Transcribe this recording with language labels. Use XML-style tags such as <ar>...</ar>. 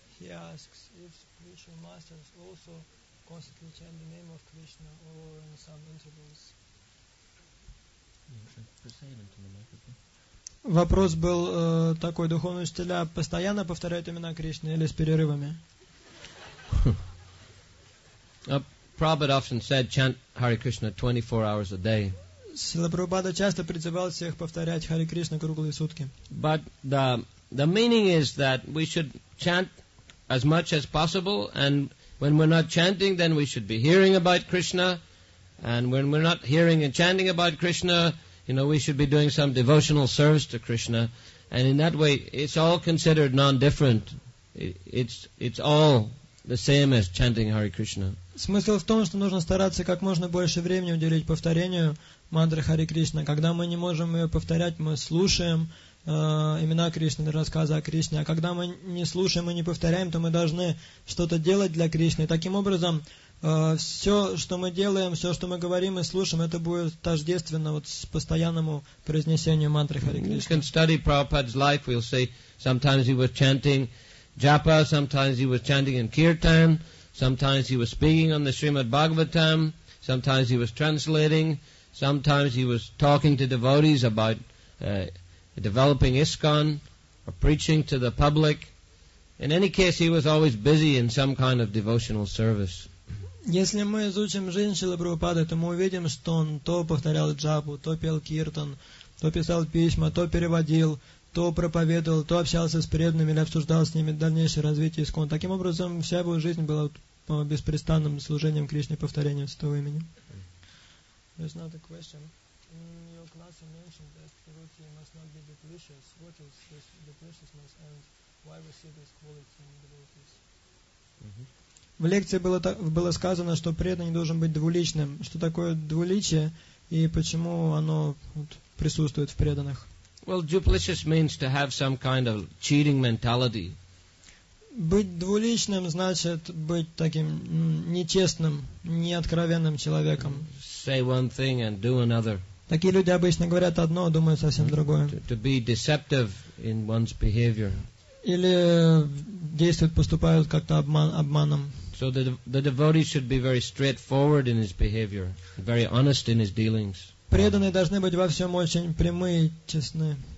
<en>Asks if spiritual masters also constantly chant the name of Krishna or in some intervals.</en> <ru>Вопрос был такой: духовные учителя постоянно повторяют имена Кришны или с перерывами?</ru> <en>Prabhupada often said, "Chant Hare Krishna 24 hours a day."</en> <ru>Сила Прабхупада часто призывал всех повторять Харе Кришна круглые сутки.</ru> <en>But the meaning is that we should chant as much as possible, and when we're not chanting, then we should be hearing about Krishna, and when we're not hearing and chanting about Krishna, you know, we should be doing some devotional service to Krishna, and in that way, it's all considered non-different. it's all the same as chanting Hare Krishna.</en> <ru>Смысл в том, что нужно стараться как можно больше времени уделить повторению мантры Хари Кришна. Когда мы не можем ее повторять, мы слушаем имена Кришны, рассказы о Кришне. А когда мы не слушаем и не повторяем, то мы должны что-то делать для Кришны. Таким образом, все, что мы делаем, все, что мы говорим и слушаем, это будет тождественно вот с постоянному произнесению мантры Хари Кришны.</ru> <en>We can study Prabhupada's life. We'll say sometimes he was chanting japa, sometimes he was chanting in kirtan, sometimes he was speaking on the Srimad Bhagavatam, sometimes he was translating, sometimes he was talking to devotees about developing ISKCON or preaching to the public. In any case, he was always busy in some kind of devotional service.</en> <ru>Если мы изучим жизнь Шрилы Прабхупады, то мы увидим, что он то повторял джапу, то пел киртан, то писал письма, то переводил, то проповедовал, то общался с преданными или обсуждал с ними дальнейшее развитие ИСКОН. Таким образом, вся его жизнь была беспрестанным служением Кришне, повторением Святого имени.</ru> <en>There's another question. In your class you mentioned that devotee must not be duplicious. What is this duplicitousness and why we see this quality in devotees?</en> <ru>В лекции было сказано, что преданный не должен быть двуличным. Что такое двуличие и почему оно присутствует в преданных?</ru> <en>Well, duplicitous means to have some kind of cheating mentality.</en> <ru>Быть двуличным значит быть таким нечестным, неоткровенным человеком.</ru> <en>Say one thing and do another.</en> <ru>Такие люди обычно говорят одно, думают совсем другое.</ru> <en>To be deceptive in one's behavior.</en> <ru>Или действуют, поступают как-то обманом.</ru> <en>So the devotee should be very straightforward in his behavior, very honest in his dealings.</en> <ru>Преданные должны быть во всем очень прямые, честны.</ru>